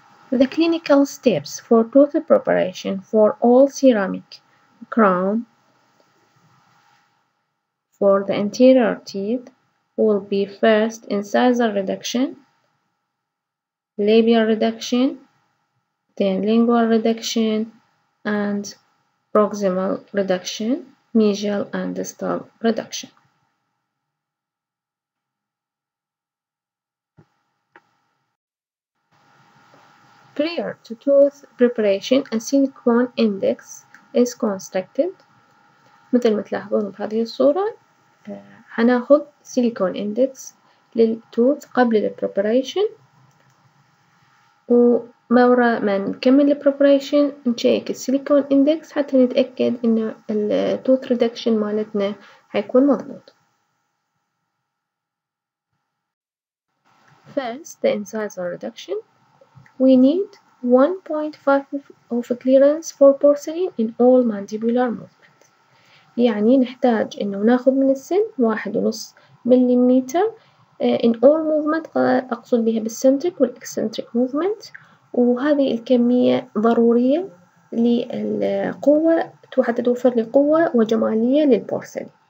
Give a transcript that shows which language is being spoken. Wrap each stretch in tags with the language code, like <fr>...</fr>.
<en>The clinical steps for tooth preparation for all ceramic crown for the anterior teeth will be first incisor reduction, labial reduction, then lingual reduction, and proximal reduction, mesial and distal reduction. Prior to tooth preparation, a silicone index is constructed.</en> <ar>مثل ما تلاحظون بهذه الصورة هناخد سيليكون اندكس للتوث قبل البريبريشن ومورا ما نكمل البريبريشن نشيك السيليكون اندكس حتى نتأكد ان التوث ريدكشن مالتنا حيكون مضبوط.</ar> <en>First the incisor reduction. We need 1.5 of clearance for porcelain in all mandibular movements.</en> <ar>يعني نحتاج إنه ناخذ من السن 1.5 مليمتر</ar> <en>in all movement</en> <ar>أقصد بها بالcentric والeccentric movement وهذه الكمية ضرورية للقوة حتى توفر لقوة وجمالية للبورسلين</ar>